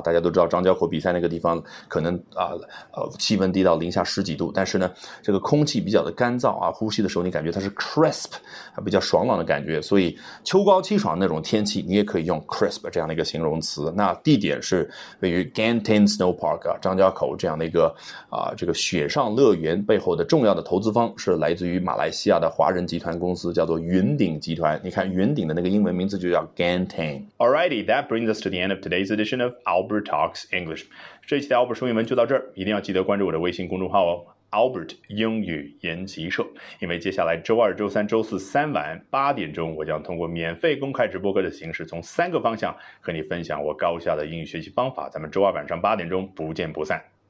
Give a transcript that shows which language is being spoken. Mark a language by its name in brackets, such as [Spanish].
[Chinese] 大家都知道张家口比赛那个地方可能气温低到零下十几度，但是呢这个空气比较的干燥啊，呼吸的时候你感觉它是 crisp， 比较爽朗的感觉，所以秋高气爽那种天气你也可以用 crisp 这样的一个形容词。那地点是位于 Ganton Snow Park 啊，张家口这样的一个这个雪上乐园背后的重要的投资方是来自于马来西亚的华人集团公司，叫做云顶集团。你看云顶的那个英文名字就叫 Ganton。 [English] Alrighty, that brings us to the end of today's edition of Albert Talks English. [Chinese] 这一期的 Albert 说英文就到这儿，一定要记得关注我的微信公众号哦， Albert 英语研习社，因为接下来周二周三周四三晚八点钟，我将通过免费公开直播课的形式，从三个方向和你分享我高效的英语学习方法。咱们周二晚上八点钟不见不散。